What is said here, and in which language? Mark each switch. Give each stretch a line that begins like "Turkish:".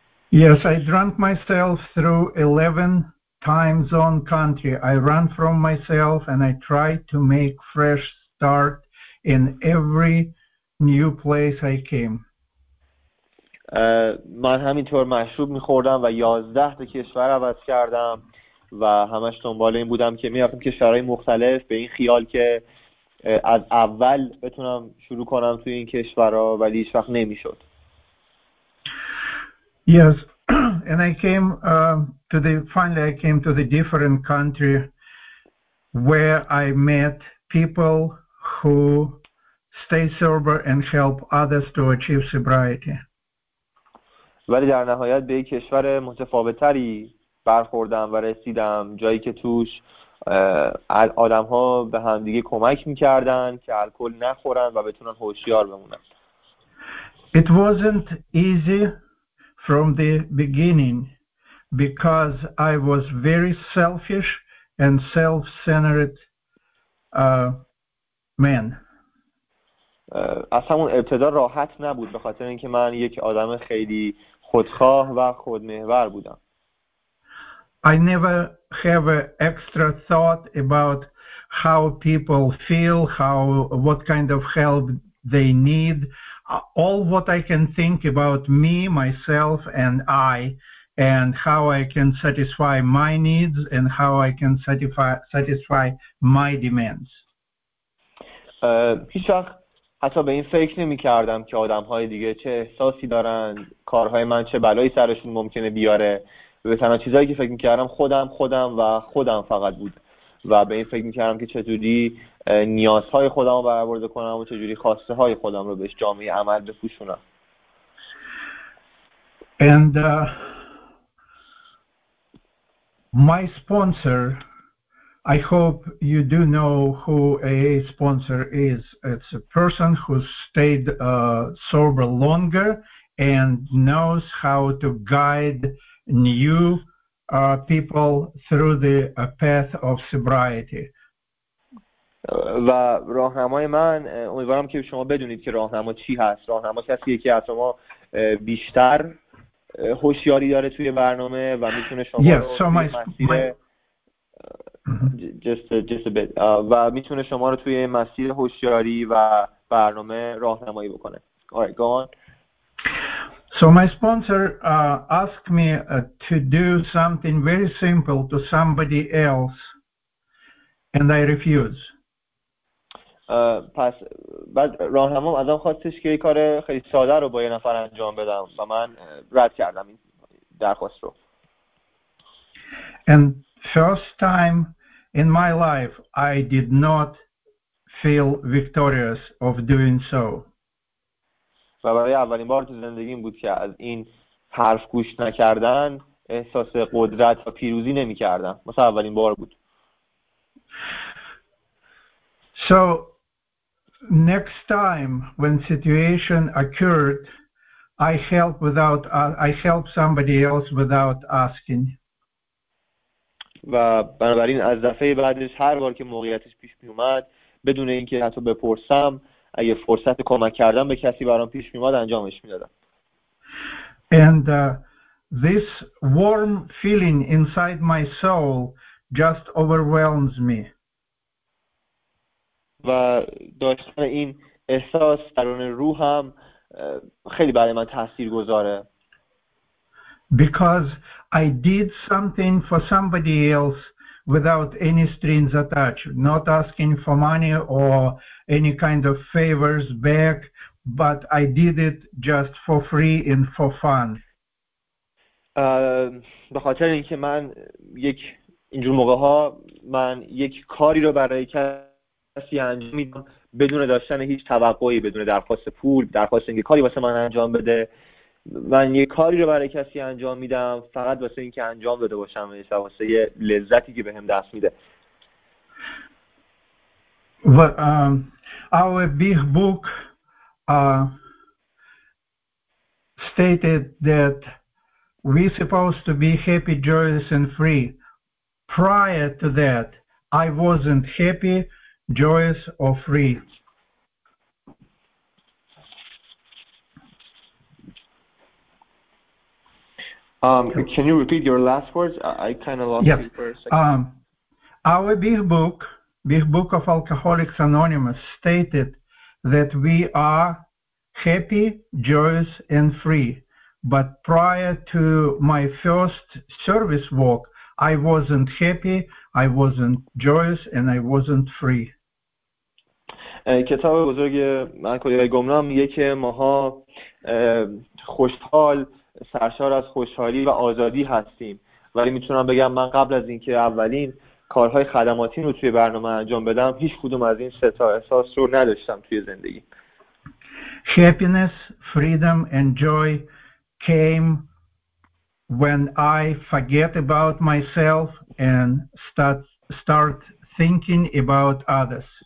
English: Yes, I drank myself through 11 time zone country. I ran from myself and I tried to make fresh start in every new place I came.
Persian: من همینطور مشروب می‌خوردم و 11 تا کشور عوض کردم و همش دنبال این بودم که می‌رفتم کشورهای مختلف به این خیال که از اول بتونم شروع کنم توی این کشورها، ولی هیچ وقت نمی‌شد.
English: Yes, and I came finally I came to the different country where I met people who stay sober and help others to achieve sobriety.
Persian: ولی در نهایت به کشور متفاوتی برخوردم و رسیدم، جایی که توش آدم‌ها به همدیگه کمک می‌کردن که الکل نخورن و بتونن هوشیار بمونن.
English: It wasn't easy from the beginning because I was very selfish and self-centered man.
Persian: از همون ابتدا راحت نبود به خاطر اینکه من یک آدم خیلی خودخواه و خودمحور بودم.
English: I never have an extra thought about how people feel, how what kind of help they need. All what I can think about me, myself, and I, and how I can satisfy my needs and how I can satisfy my demands.
Persian: هیچ وقت حتی به این فکر نمی کردم که آدم‌های دیگه چه احساسی دارن، کارهای من چه بلایی سرشون ممکنه بیاره. به تنها چیزهایی که فکر می‌کردم خودم و خودم فقط بود و به این فکر می‌کردم که چجوری نیازهای خودم رو برآورده کنم و چجوری خواسته های خودم رو بهش جامعه عمل بپوشونم.
English: And my sponsor, I hope you do know who AA sponsor is. It's a person who stayed sober longer and knows how to guide new people through the path of sobriety.
Persian: و راهنمای من، امیدوارم که شما بدونید که راهنما چی هست. راهنما کسی که از شما بیشتر هوشیاری داره توی برنامه و میتونه شما و میتونه شما رو توی مسیر هوشیاری و برنامه راهنمایی بکنه.
English: Alright, go on. So my sponsor asked me to do something very simple to somebody else, and I refused.
Persian: پس بعد راهنما ازم خواستش که یه کار خیلی ساده رو با یه نفر انجام بدم و من رد کردم این درخواست رو.
English: And first time in my life I did not feel victorious of doing so.
Persian: و برای اولین بار تو زندگیم بود که از این حرف گوش نکردن احساس قدرت و پیروزی نمی کردم. مثلا اولین بار بود.
English: So next time when situation occurred, I help somebody else without asking.
Persian: و بنابراین از دفعه بعدش هر بار که موقعیتش پیش می اومد بدون اینکه حتی بپرسم اگه فرصت کمک کردن به کسی برام پیش می اومد انجامش می دادم.
English: And this warm feeling inside my soul just overwhelms me.
Persian: و داشتن این احساس درون روحم خیلی برای من تأثیر گذاره.
English: Because I did something for somebody else without any strings attached, not asking for money or any kind of favors back, but I did it just for free and for fun.
Persian: به خاطر اینکه من یک اینجور موقع ها من یک کاری رو برای کسی انجام میدم بدون داشتن هیچ توقعی، بدون درخواست پول، درخواست اینکه کاری واسه من انجام بده. من یک کاری رو برای کسی انجام میدم فقط واسه اینکه انجام بده باشم، واسه یه لذتی که بهم دست میده. و
English: our big book stated that we're supposed to be happy, joyous and free. Prior to that, I wasn't happy, joyous or free. Can you repeat your last words? I kind of lost you for a second. Our big book of Alcoholics Anonymous stated that we are happy, joyous and free. But prior to my first service walk, I wasn't happy, I wasn't joyous and I wasn't free.
Persian: کتاب بزرگ مرکولی گمنام میگه که ماها خوشحال، سرشار از خوشحالی و آزادی هستیم، ولی میتونم بگم من قبل از اینکه اولین کارهای خدماتی رو توی برنامه انجام بدم هیچ کدوم از این سه تا احساس رو نداشتم توی زندگی.
English: Happiness, freedom and joy came when I forget about myself and start thinking about others.